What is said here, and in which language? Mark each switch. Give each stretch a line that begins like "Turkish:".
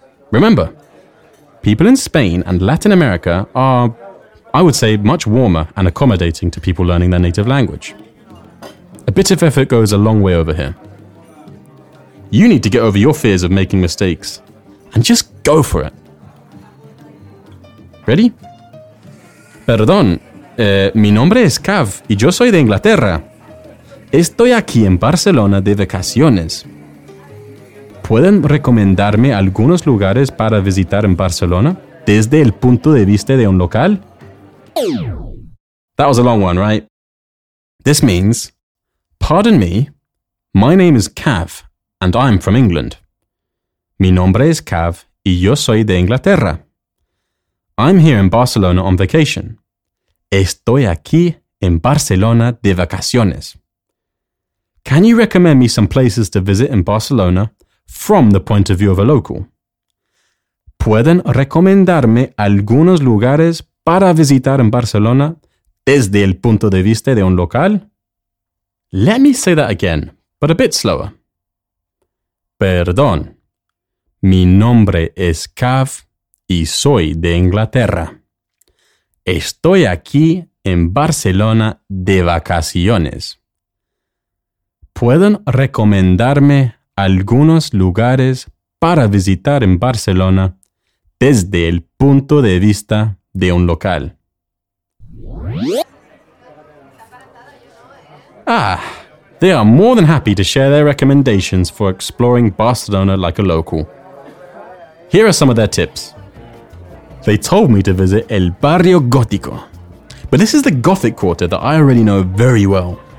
English: Remember, people in Spain and Latin America are, I would say, much warmer and accommodating to people learning their native language. A bit of effort goes a long way over here. You need to get over your fears of making mistakes and just go for it. Ready?
Spanish: Perdón, mi nombre es Cav y yo soy de Inglaterra. Estoy aquí en Barcelona de vacaciones. ¿Pueden recomendarme algunos lugares para visitar en Barcelona desde el punto de vista de un local?
English: That was a long one, right? This means, pardon me, my name is Cav and I'm from England.
Spanish: Mi nombre es Cav y yo soy de Inglaterra.
English: I'm here in Barcelona on vacation.
Spanish: Estoy aquí en Barcelona de vacaciones.
English: Can you recommend me some places to visit in Barcelona from the point of view of a local?
Spanish: ¿Pueden recomendarme algunos lugares para visitar en Barcelona desde el punto de vista de un local?
English: Let me say that again, but a bit slower.
Spanish: Perdón. Mi nombre es Cav y soy de Inglaterra. Estoy aquí en Barcelona de vacaciones. ¿Pueden recomendarme algunos lugares para visitar en Barcelona desde el punto de vista de un local?
English: Ah, they are more than happy to share their recommendations for exploring Barcelona like a local. Here are some of their tips. They told me to visit El Barrio Gótico, but this is the Gothic quarter that I already know very well.